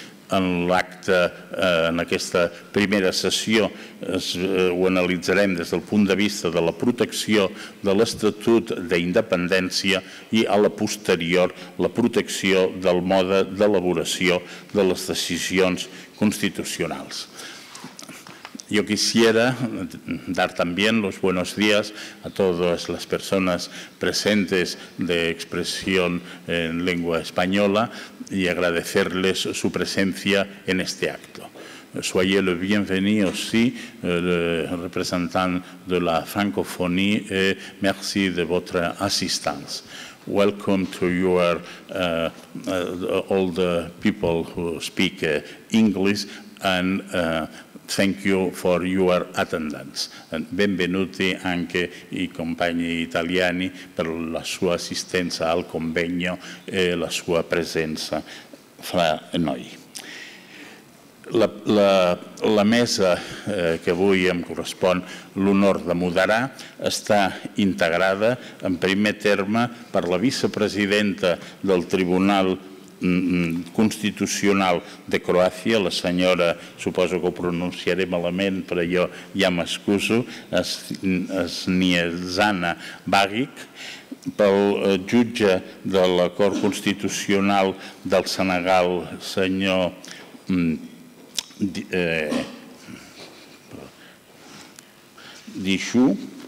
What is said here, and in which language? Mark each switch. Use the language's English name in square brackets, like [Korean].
[Catalan] En l'acte, en aquesta primera sessió, ho analitzarem des del punt de vista de la protecció de l'Estatut d'Independència i, a la posterior, la protecció del mode d'elaboració de les decisions constitucionals. [Spanish] Yo quisiera dar también los buenos días a todas las personas presentes de expresión en lengua española y agradecerles su presencia en este acto. [French] Soyez le bienvenu aussi, representant de la francophonie, et merci de votre assistance. [English] Welcome to your all the people who speak English and thank you for your attendance. [Italian] Benvenuti anche i compagni italiani per la sua assistenza al convegno e la sua presenza fra noi. [Catalan] La mesa que avui em correspon l'honor de moderar està integrada en primer terme per la vicepresidenta del Tribunal Constitucional de Croàcia, la senyora, suposo que ho pronunciaré malament, però jo ja m'excuso, Snejezana Bagic, pel jutge de la Cort Constitucional del Senegal, senyor Diouf,